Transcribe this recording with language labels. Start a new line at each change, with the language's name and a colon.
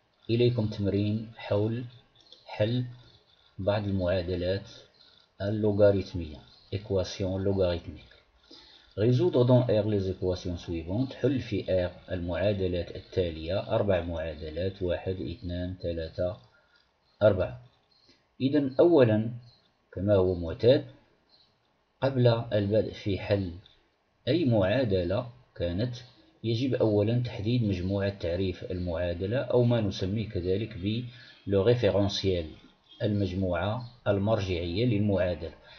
Arabic: إليكم تمرين حول حل بعض المعادلات اللوغاريتمية
French: إكواسيون لوغاريتميك. résoudre dans R les équations suivantes.
Arabic: حل في R المعادلات التالية، أربع معادلات، 1 2 3 4. إذا أولا كما هو معتاد قبل البدء في حل أي معادلة كانت، يجب أولا تحديد مجموعة تعريف المعادلة أو ما نسميه كذلك ب لو ريفيرونسييل، المجموعة المرجعية للمعادلة.